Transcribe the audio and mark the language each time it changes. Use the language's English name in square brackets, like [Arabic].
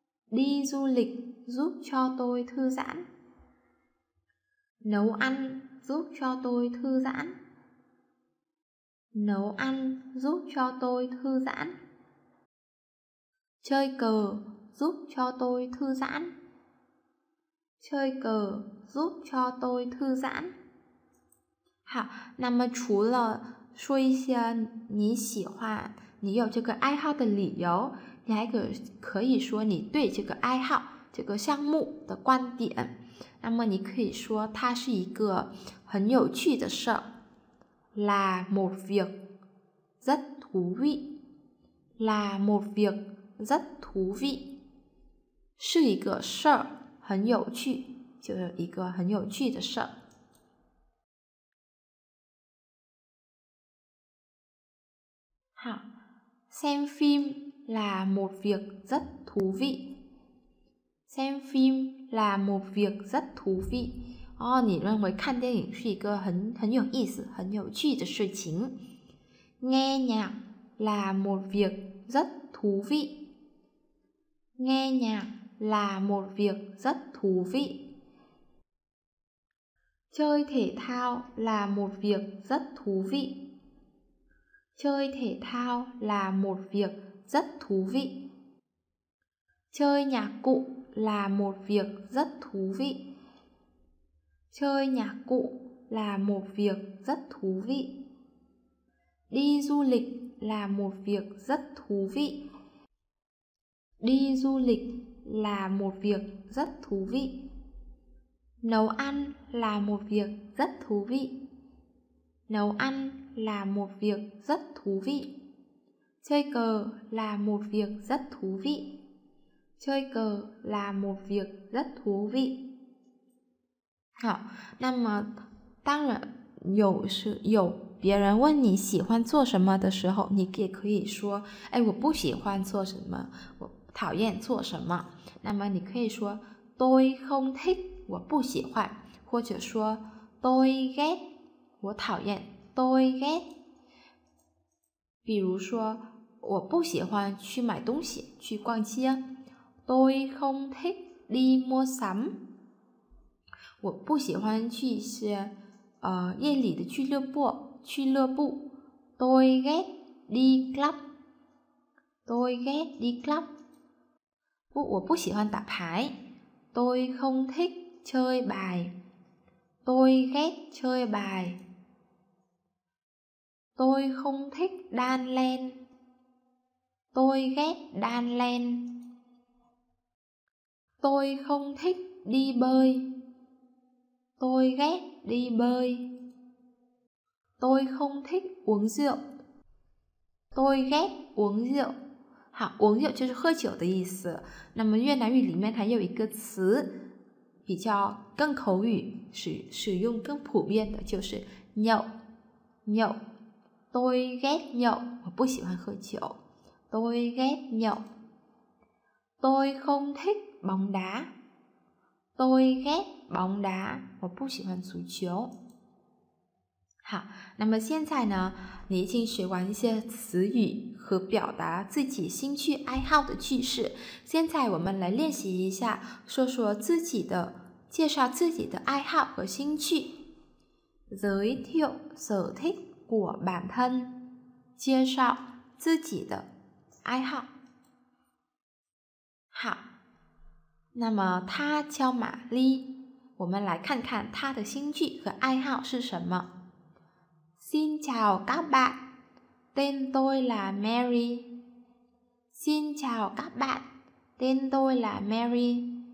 [Vietnamese] Đi du lịch giúp cho tôi thư giãn. Nấu ăn giúp cho tôi thư giãn. Nấu ăn giúp cho tôi thư giãn. Chơi cờ giúp cho tôi thư giãn. Chơi cờ giúp cho tôi thư giãn. [Chinese] 好，那么除了说一些你喜欢、你有这个爱好的理由，你还可以说你对这个爱好、这个项目的观点。那么你可以说它是一个很有趣的事儿。 [Vietnamese] Là một việc rất thú vị. Là một việc rất thú vị. [Chinese] 是一个事儿。很有趣，就有一个很有趣的事。 [Vietnamese] 好 ，xem phim là một việc rất thú vị. Xem phim là một việc rất thú vị. [Chinese] 哦，你认为看电影是一个很有意思、很有趣的事情。 [Vietnamese] Nghe nhạc là một việc rất thú vị. Nghe nhạc. Là một việc rất thú vị. Chơi thể thao là một việc rất thú vị. Chơi thể thao là một việc rất thú vị. Chơi nhạc cụ là một việc rất thú vị. Chơi nhạc cụ là một việc rất thú vị. Đi du lịch là một việc rất thú vị. Đi du lịchLà một việc rất thú vị. Nấu ăn là một việc rất thú vị. Nấu ăn là một việc rất thú vị. Chơi cờ là một việc rất thú vị. Chơi cờ là một việc rất thú vị. [Chinese] 好，那么当然有别人问你喜欢做什么的时候，你也可以说，哎，我不喜欢做什么，我讨厌做什么。那么你可以说 [Vietnamese] tôi không thích [Chinese] 我不喜欢，或者说 [Vietnamese] tôi ghét [Chinese] 我讨厌 [Vietnamese] tôi ghét。 [Chinese] 比如说我不喜欢去买东西、去逛街 [Vietnamese] tôi không thích đi mua sắm。 [Chinese] 我不喜欢去一些夜里的俱乐部 [Vietnamese] tôi ghét đi club。 tôi ghét đi club。 [Chinese] 我不喜欢打牌 [Vietnamese] tôi không thích chơi bài. tôi ghét chơi bài. tôi không thích đan len. tôi ghét đan len. tôi không thích đi bơi. tôi ghét đi bơi. tôi không thích uống rượu. tôi ghét uống rượu. [Chinese] 好，uống rượu就是喝酒的意思。那么越南语里面还有一个词比较更口语，使用更普遍的，就是nhậu。 [Vietnamese] nhậu, tôi ghét nhậu, [Chinese] 我不喜欢喝酒。 [Vietnamese] Tôi ghét nhậu. Tôi không thích bóng đá. Tôi ghét bóng đá. [Chinese] 我不喜欢足球。好，那么现在呢，你已经学完一些词语和表达自己兴趣爱好的句式。现在我们来练习一下，说说自己的，介绍自己的爱好和兴趣。 [Vietnamese] Giới thiệu sở thích của bản thân， [Chinese] 介绍自己的爱好。好，那么他叫玛丽，我们来看看他的兴趣和爱好是什么。 [Vietnamese] Xin chào các bạn, tên tôi là Mary. Xin chào các bạn, tên tôi là Mary.